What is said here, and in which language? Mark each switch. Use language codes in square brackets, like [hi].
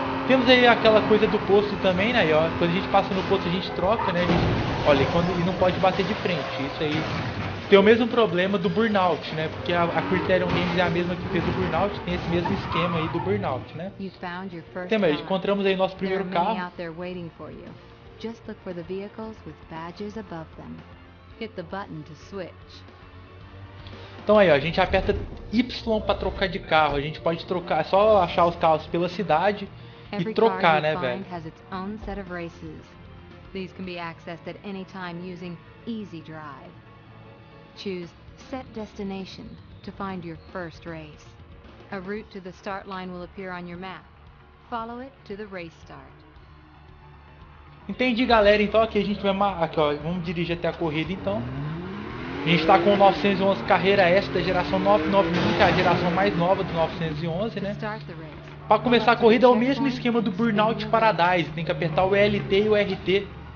[pt] Temos aí aquela coisa do posto também, né, ó. Quando a gente passa no posto, a gente troca, né, a gente... Olha, quando ele não pode bater de frente, isso aí... Tem o mesmo problema do Burnout, né? Porque a Criterion Games é a mesma que fez o Burnout, tem esse mesmo esquema aí do Burnout, né? Tem aí, encontramos aí nosso primeiro carro. [en] Just look for the vehicles with badges above them. Hit the button to switch. [pt] Então aí, ó, a gente aperta Y para trocar de carro. A gente pode trocar, é só achar os carros pela cidade e trocar, né, velho? [en] Has its own set of races. These can be accessed at any time using Easy Drive. Choose Set Destination to find your first race. A route to the start line will appear on your map. Follow it to the race start. [pt] Entendi, galera. Então aqui a gente vai aqui, ó, vamos dirigir até a corrida então. A gente está com o 911 Carreira S da geração 991, que é a geração mais nova do 911, né? Para começar a corrida é o mesmo esquema do Burnout Paradise. Tem que apertar o LT e o RT.